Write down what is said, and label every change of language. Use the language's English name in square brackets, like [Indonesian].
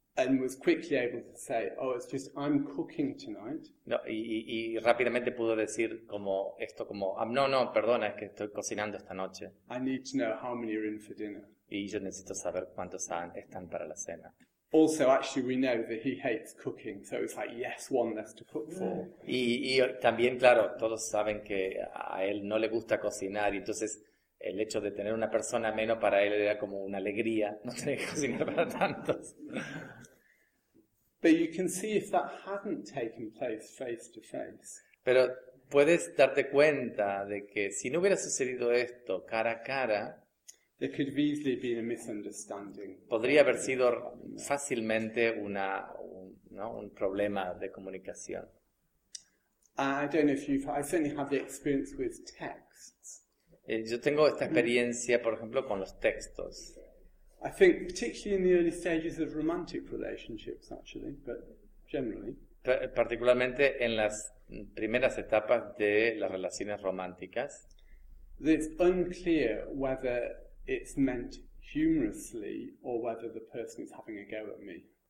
[English] And was quickly able to say, "Oh, it's just I'm cooking tonight." [Spanish] No, y rápidamente pudo decir como esto como, "No, no, perdona, es que estoy cocinando esta noche." [English] I need to know how many are in for dinner. [Spanish] Y yo necesito saber cuántos están para la cena. [English] Also, actually, we know that he hates cooking, so it's like, yes, one less to cook for. [Spanish] Y también, claro, todos saben que a él no le gusta cocinar, y entonces el hecho de tener una persona menos para él era como una alegría, no tener que cocinar para tantos. [English] But you can see if that hadn't taken place face to face. [Spanish] Pero puedes darte cuenta de que si no hubiera sucedido esto cara a cara, [English] there could have easily been a misunderstanding. [Spanish] Podría haber sido fácilmente un problema de comunicación. [English] I don't know if you've, I certainly have the experience with texts. [Spanish] Yo tengo esta experiencia, por ejemplo, con los textos. [English] I think particularly in the early stages of romantic relationships, actually, but generally. [Spanish] Particularmente en las primeras etapas de las relaciones románticas. [English] It's unclear whether it's meant humorously or whether the person is having a go at me.